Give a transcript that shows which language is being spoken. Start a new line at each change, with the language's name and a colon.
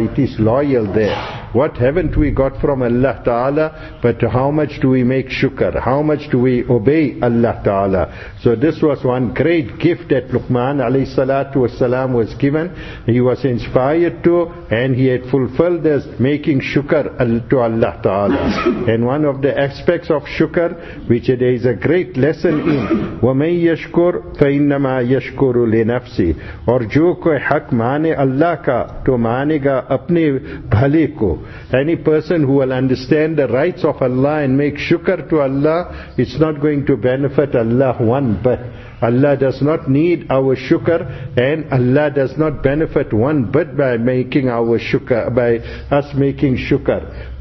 English: It is loyal there. What haven't we got from Allah Ta'ala? But how much do we make shukr? How much do we obey Allah Ta'ala? So this was one great gift that Luqman alayhi salatu wasalam was given. He was inspired to, and he had fulfilled this, making shukr to Allah Ta'ala. And one of the aspects of shukr, which there is a great lesson in,
Arabic: وَمَنْ يَشْكُرْ فَإِنَّمَا يَشْكُرُ لِنَفْسِ,
Urdu: اور جو کوئی حق مانے اللہ کا تو مانے گا اپنے بھلے کو.
English: Any person who will understand the rights of Allah and make shukr to Allah, it's not going to benefit Allah one bit. Allah does not need our shukr, and Allah does not benefit one bit by us making shukr.